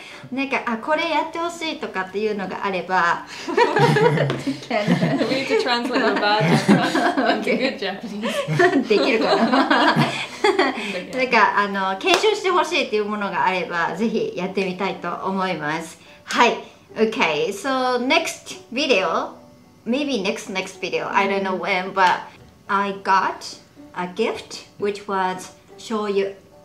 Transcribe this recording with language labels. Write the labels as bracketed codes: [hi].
[ja] なんかあこれやってほしいとかっていうのがあれば。 [en] We need to translate the bad Japanese into good Japanese. [ja] できるかな。なんかあの検証してほしいっていうものがあればぜひやってみたいと思います。 [en] はい、Okay, so next video, maybe next video, I don't know when, but I got a gift which was shoyu.